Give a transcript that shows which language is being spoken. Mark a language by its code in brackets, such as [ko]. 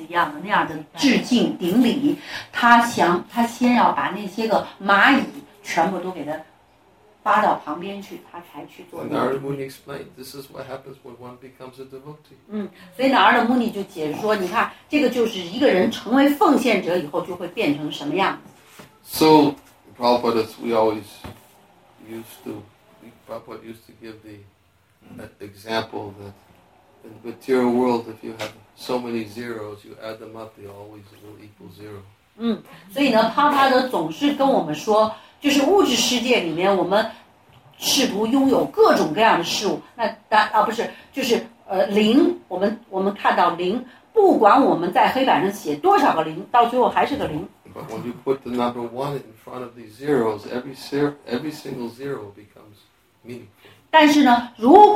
[zh] 他实际上是把那个他想要做五体投地,就像棍子一样的那样的致敬顶礼, 他想,他先要把那些个蚂蚁全部都给他 [en] Narada Muni explained, this is what happens when one becomes a devotee. [zh] 所以Narada Muni就解释说, 你看, 这个就是一个人成为奉献者以后就会变成什么样子。So, [en] Prabhupada, we always used to, Prabhupada used to give the example that in the material world, if you have so many zeros, you add them up, they always will equal zero. [zh] 所以呢, Prabhupada 总是跟我们说, 就是物质世界里面我们 试图拥有各种各样的事物，那不是，就是零，我们看到零，不管我们在黑板上写多少个零，到最后还是个零。 [en] But when you put the number one in front of these zeros, every single zero becomes meaningful.